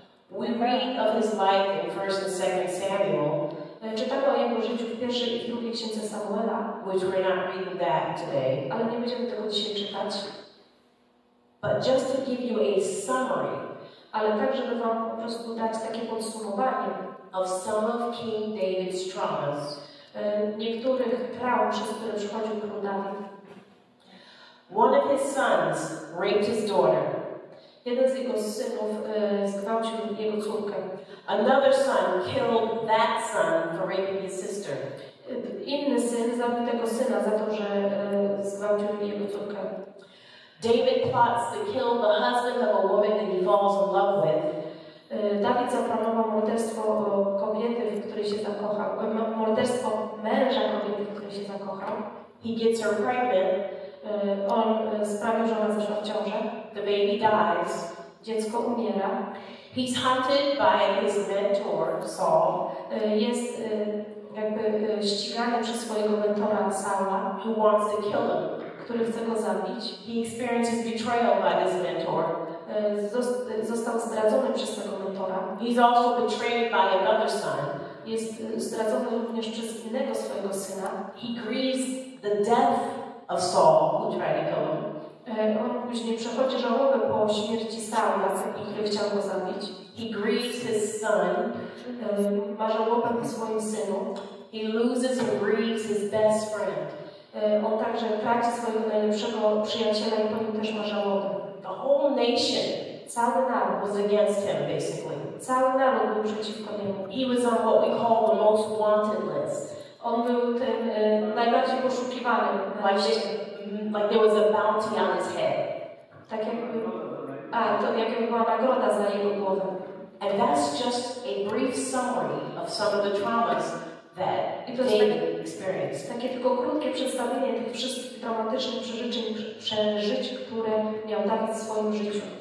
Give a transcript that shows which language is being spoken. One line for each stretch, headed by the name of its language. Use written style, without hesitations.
English: We read of his life in 1 and 2 Samuel.
Polish: Czytamy o jego życiu w 1 i 2 księdze Samuela.
English: Which we're not reading that today.
Polish: Ale nie będziemy tego dzisiaj czytać.
English: But just to give you a summary.
Polish: Ale tak, żeby wam po prostu dać takie podsumowanie.
English: Of some of King David's traumas.
Polish: Niektórych traum, przez które przechodził król Dawid.
English: One of his sons raped his daughter.
Polish: Jeden z jego synów zgwałcił jego córkę.
English: Another son killed that son for raping his sister.
Polish: Inny syn zabił tego syna za to, że zgwałcił jego córkę.
English: David plots to kill the husband of a woman that he falls in love with.
Polish: Dawid zaplanował morderstwo kobiety, w której się zakochał. Morderstwo męża kobiety, w której się zakochał.
English: He gets her pregnant.
Polish: On sprawił, że ona zaszła w ciążę.
English: The baby dies.
Polish: Dziecko umiera.
English: He's hunted by his mentor, Saul.
Polish: Jest jakby ścigany przez swojego mentora Saula,
English: who wants to kill him.
Polish: Który chce go zabić.
English: He experiences betrayal by this mentor.
Polish: Został zdradzony przez tego mentora.
English: He's also betrayed by another son.
Polish: Jest zdradzony również przez innego swojego syna.
English: He grieves the death of Saul, who tried to kill him.
Polish: On później przechodzi żałobę po śmierci Saula, który chciał go zabić.
English: He grieves his son.
Polish: Ma żałobę po swoim synu.
English: He loses and grieves his best friend.
Polish: On także traci swojego najlepszego przyjaciela i po nim też ma żałobę.
English: The whole nation,
Polish: cały naród,
English: was against him, basically.
Polish: Cały naród był przeciwko niemu.
English: He was on what we call the most wanted list.
Polish: On był tym najbardziej poszukiwanym.
English: Like there was a bounty on his head.
Polish: Tak jakby, jakby była nagroda za jego głowę.
English: And that's just a brief summary of some of the traumas that David experienced.
Polish: Takie tylko krótkie przedstawienie tych wszystkich traumatycznych przeżyć, które miał Dawid w swoim życiu.